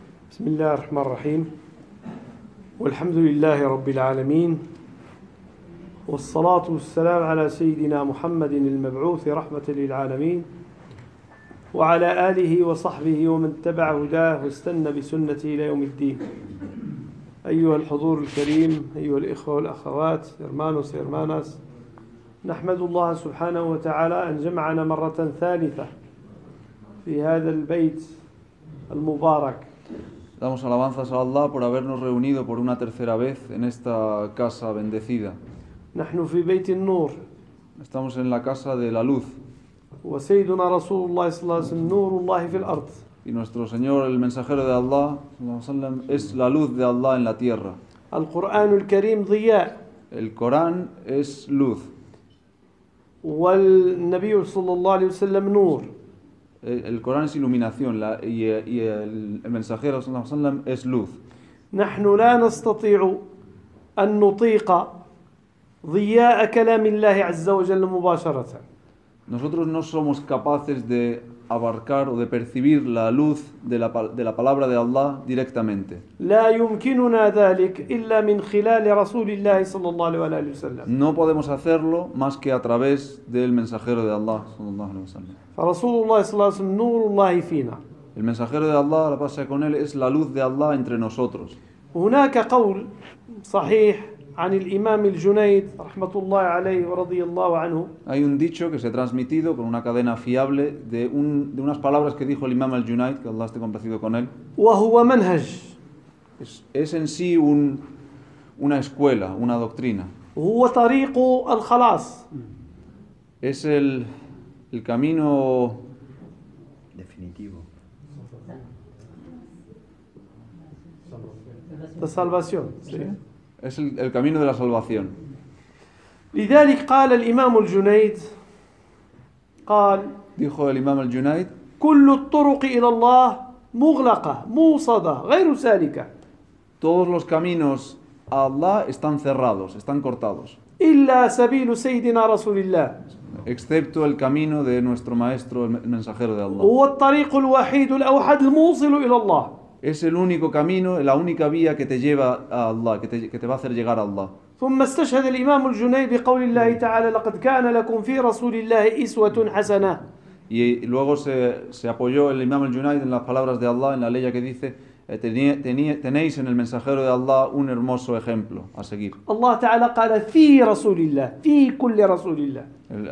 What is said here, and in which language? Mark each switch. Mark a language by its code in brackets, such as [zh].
[ar] بسم الله الرحمن الرحيم، والحمد لله رب العالمين، والصلاة والسلام على سيدنا محمد المبعوث رحمة للعالمين، وعلى آله وصحبه ومن تبع هداه واستنى بسنته إلى يوم الدين. أيها الحضور الكريم، أيها الإخوة والأخوات، [es] إرمانوس إرماناس، [ar] نحمد الله سبحانه وتعالى أن جمعنا مرة ثالثة في هذا البيت المبارك. [es] Damos alabanzas a Allah por habernos reunido por una tercera vez en esta casa bendecida. [ar] نحن في بيت النور. [es] Estamos en la casa de la luz. [ar] وسيدنا رسول الله صلى الله عليه وسلم نور الله في الأرض. [es] Y nuestro Señor, el mensajero de Allah, es la luz de Allah en la tierra. [ar] القرآن الكريم ضياء. [es] El Corán es luz. [ar] والنبي صلى الله عليه وسلم نور. [es] El Corán es iluminación y el mensajero [ar] صلى الله عليه وسلم [es] es luz. [ar] نحن لا نستطيع أن نطيق ضياء كلام الله عز وجل مباشرة. [es] Nosotros no somos capaces de abarcar o de percibir la luz de la palabra de Allah directamente. [ar] لا يمكننا ذلك إلا من خلال رسول الله صلى الله عليه وسلم. [es] No podemos hacerlo más que a través del mensajero de Allah [ar] صلى الله عليه وسلم. فرسول الله صلى الله عليه وسلم نور الله فينا. [es] El mensajero de Allah, la paz sea con él, es la luz de Allah entre nosotros. [ar] هناك قول صحيح عن الإمام الجنيد رحمة الله عليه ورضي الله عنه. [es] Hay un dicho que se ha transmitido por una cadena fiable de unas palabras que dijo el Imam al-Junayd, que Allah esté complacido con él. [ar] وهو منهج. [es] Es en sí una escuela, una doctrina. [ar] هو طريق الخلاص. [es] Es el camino definitivo. La salvación. Sí. Es el camino de la salvación. [ar] لذلك قال الإمام الجنيد قال [es] dijo el Imam al-Junayd [ar] كل الطرق إلى الله مغلقة موصدة غير سالكة. [es] Todos los caminos a Allah están cerrados, están cortados. [ar] إلا سبيل سيدنا رسول الله. [es] Excepto el camino de nuestro maestro, el mensajero de Allah. [ar] هو الطريق الوحيد الأوحد الموصل إلى الله. [es] Es el único camino, la única vía que te lleva a Allah, que te va a hacer llegar a Allah. [ar] ثم استشهد الإمام الجنيد بقول الله تعالى لقد كان لكم في رسول الله أسوة حسنة. [es] Y luego se apoyó el Imam al-Junayd en las palabras de Allah, en la ley que dice tenéis en el mensajero de Allah un hermoso ejemplo a seguir. [ar] الله تعالى قال في رسول الله في كل رسول الله.